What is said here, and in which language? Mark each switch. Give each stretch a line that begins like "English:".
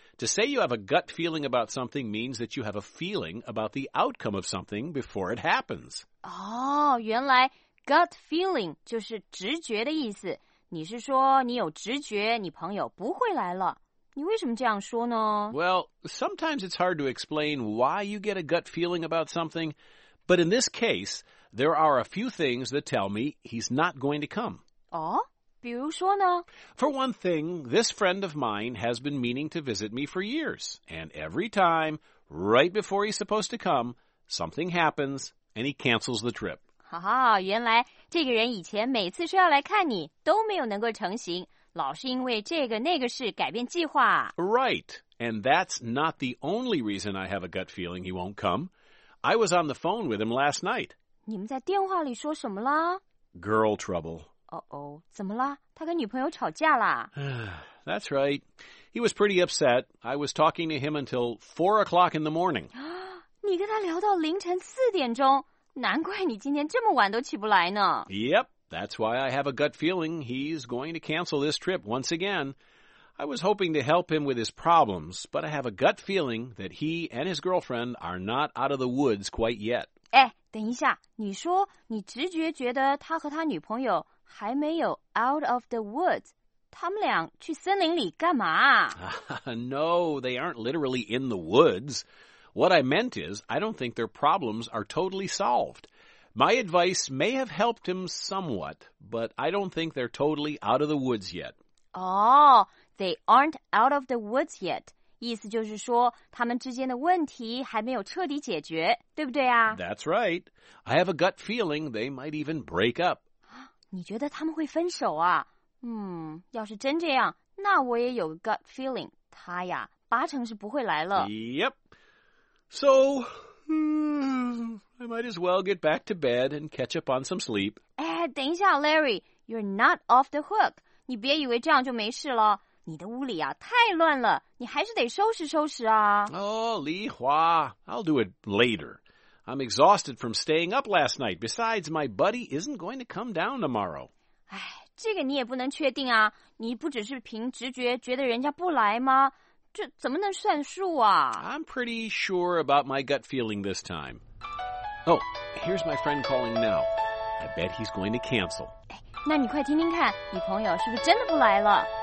English: To say you have a gut feeling about something means that you have a feeling about the outcome of something before it happens.
Chinese: 原来Gut feeling 就是直觉的意思。你是说你有直觉你朋友不会来了。你为什么这样说呢？
English: Well, sometimes it's hard to explain why you get a gut feeling about something. But in this case, there are a few things that tell me he's not going to come.
Chinese: 比如说呢？
English: For one thing, this friend of mine has been meaning to visit me for years. And every time, right before he's supposed to come, something happens and he cancels the trip.
Chinese: 原来这个人以前每次说要来看你都没有能够成行，老是因为这个那个事改变计划。
English: Right, and that's not the only reason I have a gut feeling he won't come. I was on the phone with him last night.
Chinese: 你们在电话里说什么了？
English: Girl trouble.
Chinese: 怎么了？他跟女朋友吵架了？
English: That's right. He was pretty upset. I was talking to him until 4 o'clock in the morning.
Chinese: 你跟他聊到凌晨4点钟？难怪你今天这么晚都起不来呢。
English: Yep, that's why I have a gut feeling he's going to cancel this trip once again. I was hoping to help him with his problems, but I have a gut feeling that he and his girlfriend are not out of the woods quite yet.
Chinese: 等一下，你说你直觉觉得他和他女朋友还没有
English: out of the woods,
Chinese: 他们俩去森林里干嘛
English: No, they aren't literally in the woods. What I meant is, I don't think their problems are totally solved. My advice may have helped him somewhat, but I don't think they're totally out of the woods yet. Oh, they aren't out of the woods yet.
Chinese: 意思就是说他们之间的问题还没有彻底解决，对不对啊？
English: That's right. I have a gut feeling they might even break up.
Chinese: 你觉得他们会分手啊？要是真这样，那我也有 gut feeling, 他呀八成是不会来了。
English: Yep. So, I might as well get back to bed and catch up on some sleep.
Chinese: 哎，等一下
English: Larry, you're not off the hook.
Chinese: 你别以为这样就没事了。你的屋里啊太乱了，你还是得收拾收拾啊。
English: Oh, Li Hua, I'll do it later. I'm exhausted from staying up last night. Besides, my buddy isn't going to come down tomorrow.
Chinese: 哎，这个你也不能确定啊，你不只是凭直觉觉得人家不来吗？这怎么能算数啊？
English: I'm pretty sure about my gut feeling this time. Oh, here's my friend calling now. I bet he's going to cancel.
Chinese: 那你快听听看，你朋友是不是真的不来了？